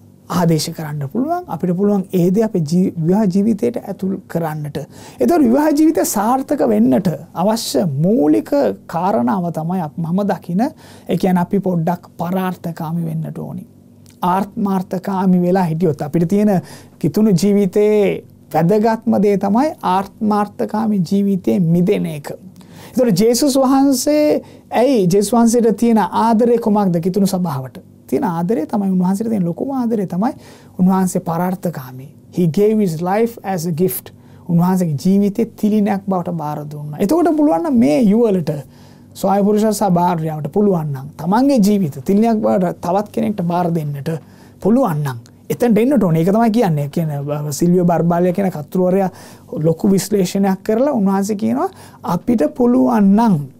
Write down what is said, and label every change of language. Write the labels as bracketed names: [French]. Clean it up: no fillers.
[Sinhala] ආදේශ කරන්න පුළුවන් අපිට පුළුවන් ඒ දේ අපේ විවාහ ජීවිතේට ඇතුල් කරන්නට ඒතකොට විවාහ ජීවිතය සාර්ථක වෙන්නට අවශ්‍ය මූලික කාරණාව තමයි මම දකින ඒ කියන්නේ අපි පොඩ්ඩක් පරාර්ථකාමි වෙන්නට ඕනි ආත්මාර්ථකාමි වෙලා හිටියොත් අපිට තියෙන කිතුණු ජීවිතේ වැදගත්ම දේ තමයි ආත්මාර්ථකාමී ජීවිතයේ මිදෙන එක. ඒතකොට ජේසුස් වහන්සේ ඇයි ජේසුස් වහන්සේට තියෙන ආදරේ කොමක්ද කිතුණු සභාවට? තියෙන ආදරේ තමයි උන්වහන්සේට තියෙන ලොකුම ආදරේ තමයි උන්වහන්සේ පරාර්ථකාමී. [English] He gave his life as a gift. [Sinhala] උන්වහන්සේගේ ජීවිතේ තිලිනයක් බවට බාර දුන්නා. එතකොට පුළුවන් නම් මේ යුවලට ස්වාමි පුරුෂයා සහ භාර්යාවට පුළුවන් නම් තමන්ගේ ජීවිත තිලිනයක් බවට තවත් කෙනෙක්ට බාර දෙන්නට පුළුවන් නම් එතනට එන්නට ඕනේ ඒක තමයි කියන්නේ කියන්නේ සිල්වියෝ බර්බාලියා කියන කතෘවරයා ලොකු විශ්ලේෂණයක් කරලා උන්වහන්සේ කියනවා අපිට පුළුවන් නම්